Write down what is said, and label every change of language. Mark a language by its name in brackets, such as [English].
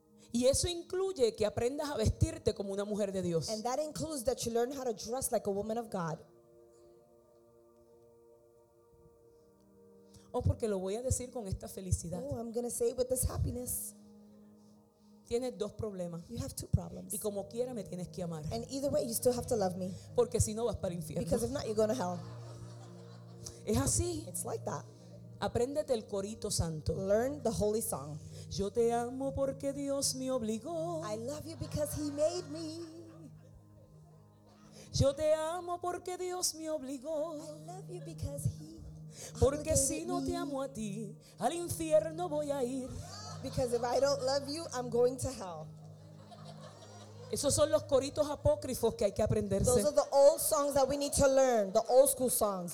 [Spanish] Y eso incluye que aprendas a vestirte como una mujer de Dios. [English] And that includes that you learn how to dress like a woman of God. [Spanish] o porque lo voy a decir con esta felicidad. [English] Oh, I'm gonna say it with this happiness. [Spanish] Tienes dos problemas. [English] You have two problems. [Spanish] Y como quiera me tienes que amar. [English] And either way, you still have to love me. [Spanish] Porque si no vas para el infierno. [English] Because if not, you're going to hell. [Spanish] Es así. [English] It's like that. [Spanish] Apréndete el corito santo. [English] Learn the holy song. [Spanish] Yo te amo porque Dios me obligó. [English] I love you because he made me. [Spanish] Yo te amo porque Dios me obligó. [English] I love you because he [Spanish] Porque si no te amo a ti, al infierno voy a ir. [English] Because if I don't love you, I'm going to hell. [Spanish] Esos son los coritos apócrifos que hay que aprenderse. [English] Those are the old songs that we need to learn, the old school songs.